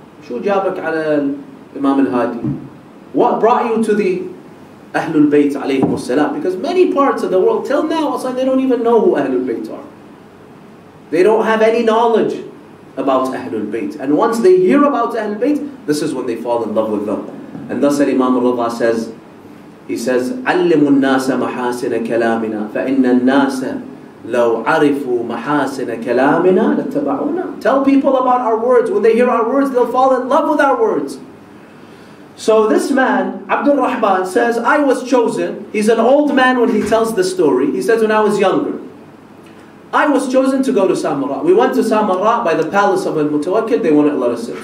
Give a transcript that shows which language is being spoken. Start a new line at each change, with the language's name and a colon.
Arabic: Shu jabak ala Imam al-Hadi?
English: What brought you to the Ahlul Bayt alayhimu salam. Because many parts of the world, till now, they don't even know who Ahlul Bayt are. They don't have any knowledge about Ahlul Bayt. And once they hear about Ahlul Bayt, this is when they fall in love with them. And thus Imam al-Ridha says, he says,
Arabic: عَلِّمُ النَّاسَ مَحَاسِنَ كَلَامِنَا فَإِنَّ النَّاسَ لَوْ عَرِفُوا مَحَاسِنَ كَلَامِنَا لَتَّبَعُونَا.
English: Tell people about our words. When they hear our words, they'll fall in love with our words. So this man, Abdul Rahman, says, I was chosen. He's an old man when he tells the story. He says, when I was younger, I was chosen to go to Samarra. We went to Samarra by the palace of Al-Mutawakkil. They wouldn't let us in.